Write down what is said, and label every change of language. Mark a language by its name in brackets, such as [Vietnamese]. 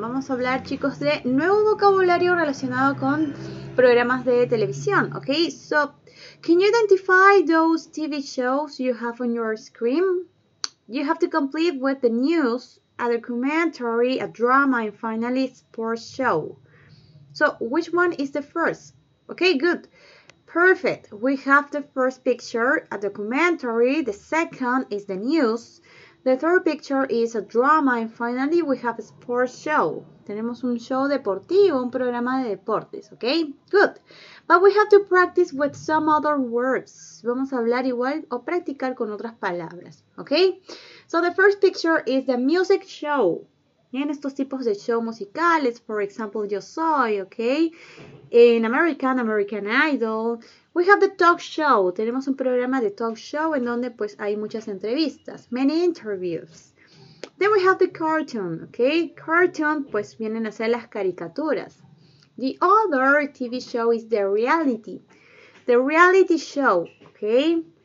[Spanish] Vamos a hablar, chicos, de nuevo vocabulario relacionado con programas de televisión, okay? [English] So, can you identify those TV shows you have on your screen? You have to complete with the news, a documentary, a drama, and finally sports show. So, which one is the first? Okay, good. Perfect. We have the first picture, a documentary. The second is the news. The third picture is a drama. And finally, we have a sports show. [Spanish] Tenemos un show deportivo, un programa de deportes. [English] Okay, good. But we have to practice with some other words. [Spanish] Vamos a hablar igual o practicar con otras palabras. [English] Okay, so the first picture is the music show. [Spanish] En estos tipos de show musicales, [English] for example, [Spanish] Yo Soy, okay? [English] In American, American Idol, we have the talk show. [Spanish] Tenemos un programa de talk show en donde pues hay muchas entrevistas, [English] many interviews. Then we have the cartoon, okay? Cartoon, [Spanish] pues vienen a ser las caricaturas. [English] The other TV show is the reality. The reality show, okay?